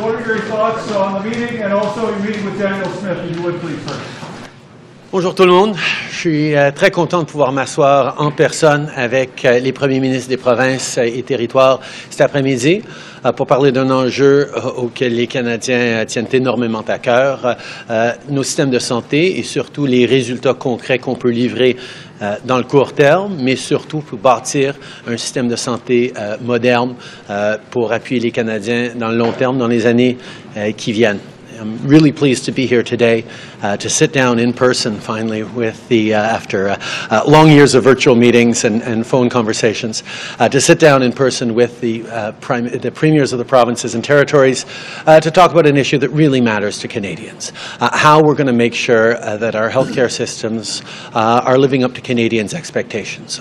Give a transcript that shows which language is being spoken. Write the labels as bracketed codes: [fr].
[en] What are your thoughts on the meeting and also your meeting with Daniel Smith, if you would please first? [fr] Bonjour tout le monde. Je suis très content de pouvoir m'asseoir en personne avec les premiers ministres des provinces et territoires cet après-midi pour parler d'un enjeu auquel les Canadiens tiennent énormément à cœur, nos systèmes de santé et surtout les résultats concrets qu'on peut livrer dans le court terme, mais surtout pour bâtir un système de santé moderne pour appuyer les Canadiens dans le long terme, dans les années qui viennent. [en] I'm really pleased to be here today to sit down in person finally with the long years of virtual meetings and phone conversations to sit down in person with the premiers of the provinces and territories to talk about an issue that really matters to Canadians, how we're going to make sure that our healthcare systems are living up to Canadians' expectations.